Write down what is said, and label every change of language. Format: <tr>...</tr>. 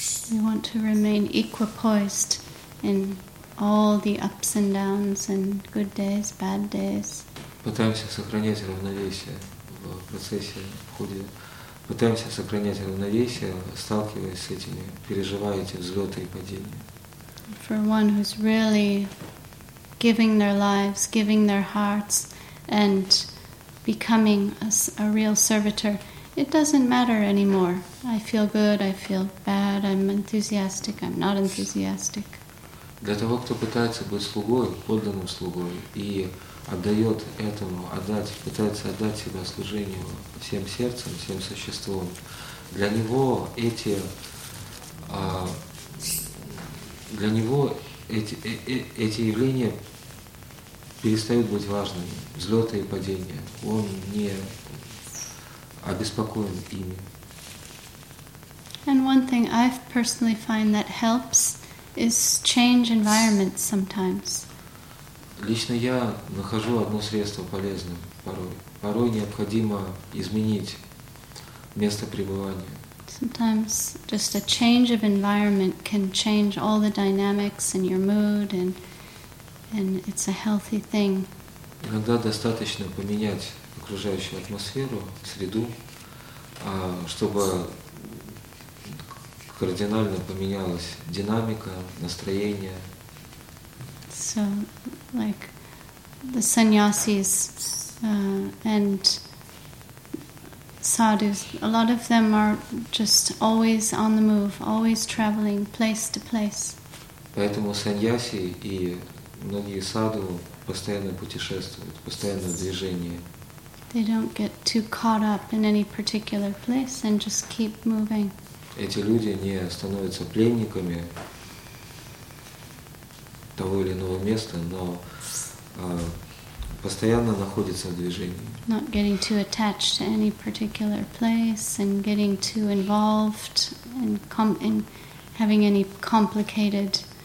<en>We want to remain equipoised in all the ups and downs and good days, bad days.</en> <ru>Пытаемся сохранять равновесие в процессе, в ходе. Пытаемся сохранять равновесие, сталкиваясь с этими, переживая эти взлеты и падения.</ru> <en>For one who's really giving their lives, giving their hearts, and becoming a real servitor, it doesn't matter anymore. I feel good, I feel bad, I'm enthusiastic, I'm not enthusiastic.</en> <ru>Для того, кто пытается быть слугой, подлинным слугой, и отдает этому, отдать, пытается отдать себя служению всем сердцем, всем существом, для него эти, для него эти явления перестают быть важными, взлеты и падения. Он не обеспокоен ими.</ru> <en>And one thing I personally find that helps is change environment sometimes.</en> <ru>Лично я нахожу одно средство полезным порой. Порой необходимо изменить место пребывания.</ru> <en>Sometimes just a change of environment can change all the dynamics and your mood, and it's a healthy thing.</en> <ru>Иногда достаточно поменять окружающую атмосферу, среду, чтобы кардинально поменялась динамика, настроение.</ru> <en>So, like the sannyasis and sadhus, a lot of them are just always on the move, always traveling place to place.</en> <ru>Поэтому саньяси и многие саду постоянно путешествуют, постоянно в движении.</ru> <en>They don't get too caught up in any particular place and just keep moving.</en> <ru>Эти люди не становятся пленниками того или иного места, но постоянно находится в движении.</ru> <en>Not getting too attached to any particular place and getting too involved and in having any complicated</en>